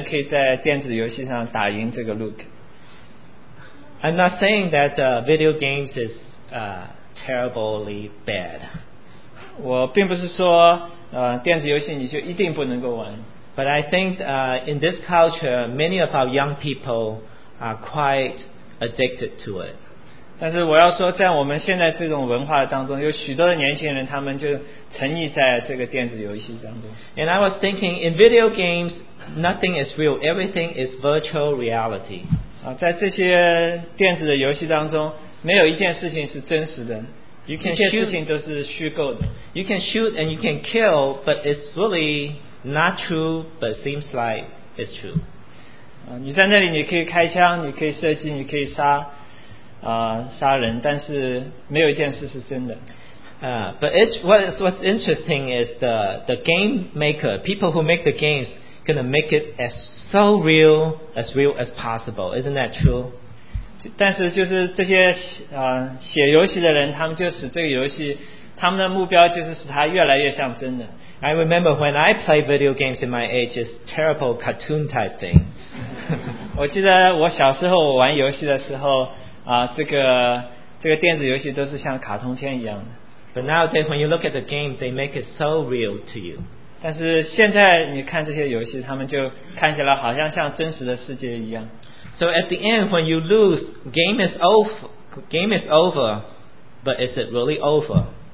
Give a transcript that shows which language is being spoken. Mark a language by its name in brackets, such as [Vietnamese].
[Chinese] 看起来就是没有一个人可以在电子游戏上打赢这个 Luke. [English] I'm not saying that video games is terribly bad. [Chinese] 我并不是说电子游戏你就一定不能够玩。 [English] But I think in this culture, many of our young people are quite addicted to it. [Chinese] 但是我要说在我们现在这种文化当中, 有许多的年轻人他们就沉溺在这个电子游戏当中。 [English] And I was thinking, in video games, nothing is real. Everything is virtual reality. [Chinese] 在这些电子的游戏当中, 没有一件事情是真实的, [English] you can shoot, [Chinese] 一切事情都是虚构的。 [English] You can shoot and you can kill, but it's really not true, but seems like it's true. [Chinese] 你在那里你可以开枪, 你可以射击, 你可以杀人, 但是没有一件事是真的。 [English] But what's interesting is the game maker, people who make the games, gonna make it as so real as possible. Isn't that true? [Chinese] 但是就是这些写游戏的人，他们就使这个游戏，他们的目标就是使它越来越像真的。 [English] I remember when I play video games in my age, it's terrible cartoon type thing. [Chinese] 我记得我小时候玩游戏的时候，这个电子游戏都是像卡通片一样的。But [English] nowadays, when you look at the game, they make it so real to you. [Chinese] 但是现在你看这些游戏，他们就看起来好像像真实的世界一样。So [English] at the end, when you lose, game is over, but is it really over?